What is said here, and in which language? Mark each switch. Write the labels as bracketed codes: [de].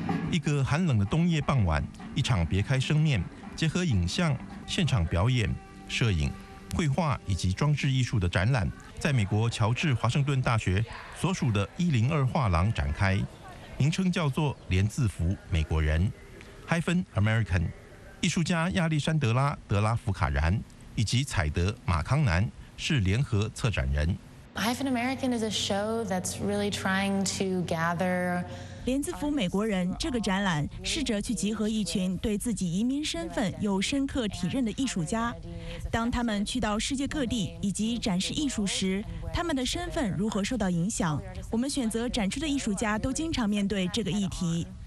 [zh] 一个寒冷的冬夜傍晚，一场别开生面，结合影像、现场表演、摄影、绘画以及装置艺术的展览，在美国乔治华盛顿大学所属的102画廊展开，名称叫做《连字符美国人》（American）。艺术家亚历山德拉·德拉福卡然以及彩德·马康南是联合策展人。 [en] American is a show that's really trying to gather。 [zh] 连字符美国人这个展览试着去集合一群对自己移民身份有深刻体认的艺术家，当他们去到世界各地以及展示艺术时，他们的身份如何受到影响。我们选择展出的艺术家都经常面对这个议题。